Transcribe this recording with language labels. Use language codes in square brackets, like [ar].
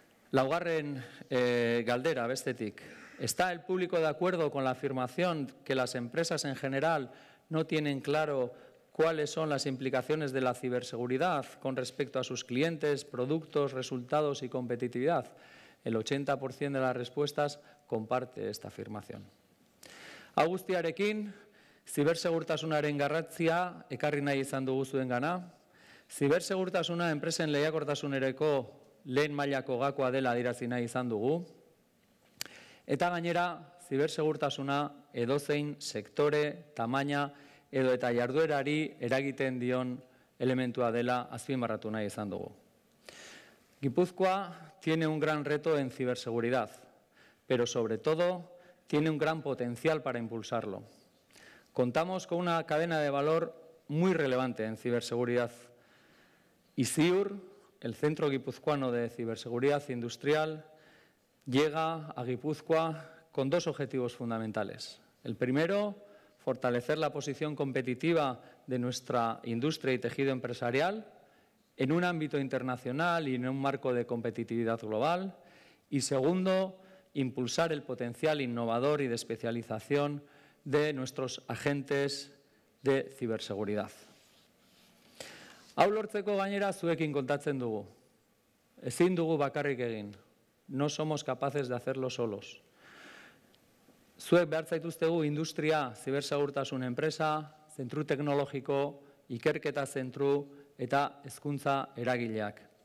[eu] Laugarren galdera bestetik. [es] ¿Está el público de acuerdo con la afirmación que las empresas en general no tienen claro cuáles son las implicaciones de la ciberseguridad con respecto a sus clientes, productos, resultados y competitividad? El 80% de las respuestas comparte esta afirmación. [eu] Agustiarekin, zibersegurtasunaren garrantzia ekarri nahi izan dugu zuen gana. Zibersegurtasuna enpresen lehiakortasunereko lehen mailako gakoa dela adierazi nahi izan dugu. Eta gainera, zibersegurtasuna edozein sektore, tamaina edo eta jarduerari eragiten dion elementua dela azpimarratu nahi izan dugu. [es] Gipuzkoa tiene un gran reto en ciberseguridad, pero sobre todo tiene un gran potencial para impulsarlo. Contamos con una cadena de valor muy relevante en ciberseguridad. ICIUR, el Centro Guipuzcoano de Ciberseguridad Industrial, llega a Guipúzcoa con dos objetivos fundamentales. El primero, fortalecer la posición competitiva de nuestra industria y tejido empresarial en un ámbito internacional y en un marco de competitividad global. Y segundo, impulsar el potencial innovador y de especialización de nuestros agentes de ciberseguridad. [eu] Hau lortzeko gainera zuekin kontatzen dugu. Ezin dugu bakarrik egin. [es] No somos capaces de hacerlo solos. [eu] Zuek behar zaituztegu industria, zibersegurtasun enpresa, zentru teknologiko, ikerketa zentru eta hezkuntza eragileak.